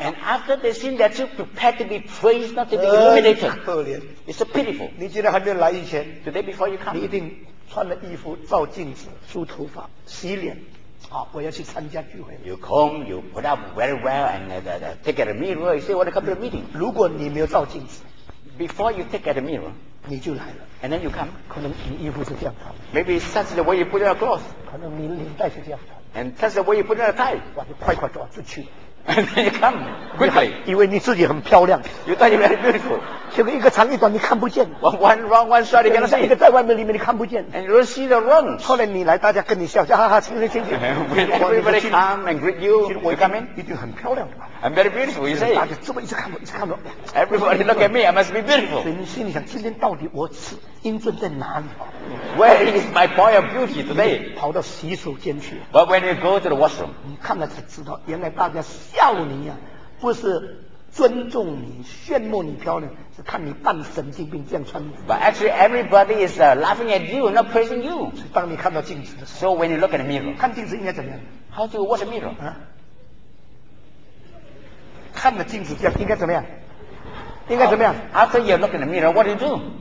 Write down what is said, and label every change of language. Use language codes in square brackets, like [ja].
[en] And after they sin, they're too prepared to be praised, not to be illuminated. [zh] 可怜。 [en] It's a pitiful. [zh] 你今天还没有来以前, [en] today before you come, [zh] 你一定 穿了衣服照镜子梳头发洗脸 我要去参加聚会 [en] You comb, you put up very well and take at a mirror You say you want to come to the meeting [zh] 如果你没有照镜子 [en] Before you take at the mirror [zh] 你就来了 [en] And then you come [zh] 可能你衣服是这样的 [en] Maybe such the way you put on a cloth [zh] 可能你领带是这样的 [en] And such the way you put on a tie [zh] 哇你快快抓出去 [en] And then you come quickly. [zh] 以为你自己很漂亮 [en] You thought you're very beautiful. [zh] 结果一个长一短你看不见 [en] One wrong one side you cannot see [zh] 一个在外面里面你看不见 [en] And you don't see the wrong [zh] 后来你来大家跟你笑 哈哈哈哈请进去 [en] When everybody come and greet you You come in [zh] 一定很漂亮的吧 [en] I'm very beautiful you say [zh] 大家这么一直看我 [en] Everybody look at me I must be beautiful [zh] 所以你心里想今天到底我英俊在哪里 [en] Where is my point of beauty today [zh] 跑到洗手间去 [en] But when you go to the washroom [zh] 你看了才知道 原来大家 笑你啊, 不是尊重你, 炫慕你漂亮, 是看你扮神经病, 这样穿衣服。 [en] But actually everybody is laughing at you, not praising you. [zh] 当你看到镜子的时候, [en] so when you look at the mirror, [zh] 看镜子应该怎么样? [en] How do you watch a mirror? [zh] 看了镜子应该怎么样?应该怎么样? [en] After you look at the mirror, what do you do?